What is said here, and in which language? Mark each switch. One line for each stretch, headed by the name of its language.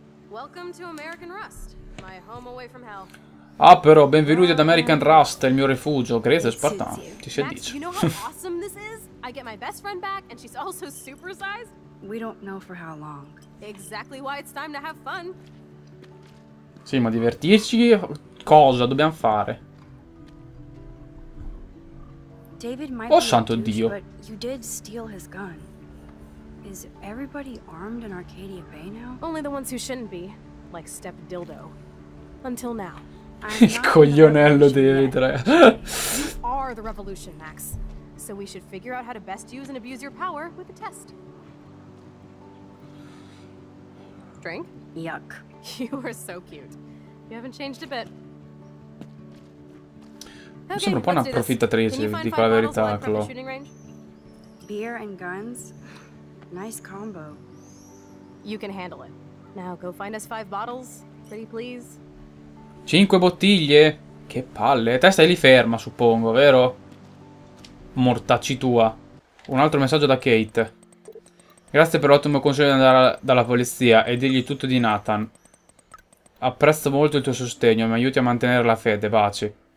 English: Welcome to American Rust, my home away from hell.
Italian: Ah, però, benvenuti ad American Rust, il mio rifugio. Grazie, Spartano. Ti si addice.
English: You know how awesome this is? I get my best friend back and she's also super sized. We don't know for how long. Exactly why it's time to have fun.
Italian: Sì, ma divertirci? Cosa dobbiamo fare?
English: David might. Oh,
Italian: santo Dio.
English: You did steal his gun. Is everybody armed in Arcadia Bay now? Only the ones who shouldn't be, like Step Dildo. Until now.
Italian: Il coglionello dei tre.
English: You are the revolution, Max. So we should figure out how to best use and abuse your power with a test. Drink? Yuck. You are so cute. You haven't changed a bit.
Italian: Mi sembra un po' un'approfittatrice, dico la verità, Clo.
English: Beer and guns? Nice combo. You can handle it. Now go find us five bottles, pretty please.
Italian: Cinque bottiglie? Che palle. Te stai lì ferma, suppongo, vero? Mortacci tua. Un altro messaggio da Kate. Grazie per l'ottimo consiglio di andare dalla polizia e dirgli tutto di Nathan. Apprezzo molto il tuo sostegno, mi aiuti a mantenere la fede, baci.